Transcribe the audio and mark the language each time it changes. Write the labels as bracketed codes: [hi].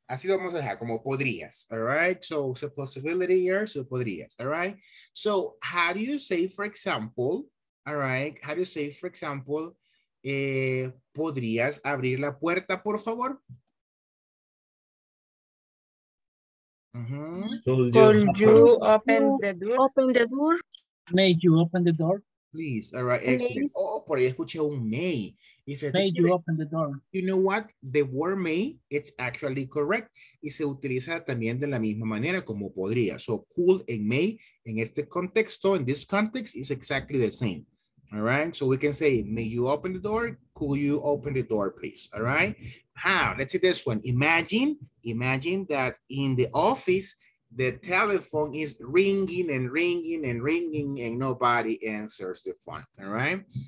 [es] Así lo vamos a dejar, como podrías, [en] all right? So, it's a possibility here, so podrías, all right? So, how do you say, for example, all right? How do you say, for example, [es] podrías abrir la puerta, por favor? [en] Could you open the door? May you open the door? Please, all right, excellent. Oh, [es] por ahí escuché un [en] may. If it may you open the door. You know what? The word may, it's actually correct. [es] Y se utiliza también de la misma manera como podría. [en] So, cool and may, [es] en este contexto, [en] in this context, is exactly the same. All right, so we can say, may you open the door? Could you open the door, please? All right, let's see this one. Imagine that in the office, the telephone is ringing and ringing and ringing and nobody answers the phone, all right?